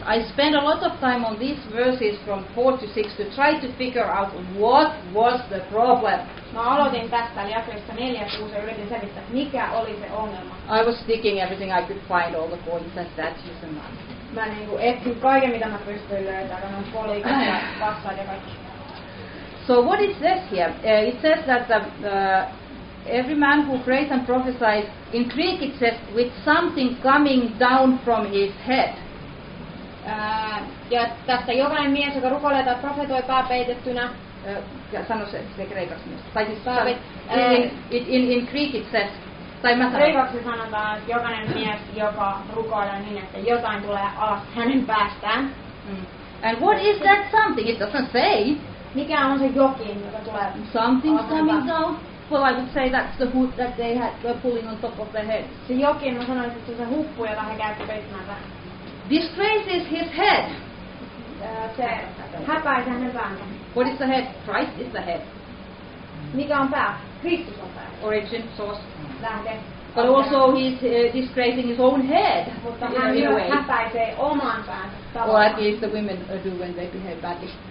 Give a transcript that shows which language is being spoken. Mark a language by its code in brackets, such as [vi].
[en] I spent a lot of time on these verses from 4 to 6 to try to figure out what was the problem. [fi] Mä aloitin tästä jakeesta 4-6 ja yritin selittää, mikä oli se ongelma. [en] I was sticking everything I could find, all the points and statues and that. [fi] Mä niinku etsin kaiken, mitä mä pystyin löytämään, on kolikot ja passat ja kaikki. [en] So what it says here? It says that every man who prays and prophesies, in Greek it says, with something coming down from his head. [fi] Ja tästä jokainen mies, joka rukoilee tai profetoi pääpeitettynä. Sano se, se kreikaksi mies. Tai siis [en] in Greek it says, [fi] tai mä sanon. Kreikaksi sanotaan, että jokainen mies, joka rukoilee niin, että jotain tulee alas hänen päästään. [en] Mm. And what is that something? It doesn't say. [fi] Mikä on se jokin, joka tulee? [en] Something coming down. Well, I would say that's the hood that they had pulling on top of their head. [fi] Se jokin, mä sanoin, että se huppu, jota he käytti peittämänsä. [en] Disgraces his head. [fi] Se häpäisi hänen päänsä. [en] What is the head? Christ is the head. [fi] Mikä on pää? Kristus on pää. [en] Origin, source. [fi] Lähde. [en] But also he's disgracing his own head. [fi] Mutta hän myös häpäisee oman päänsä. [en] Well, at least the women do when they behave badly.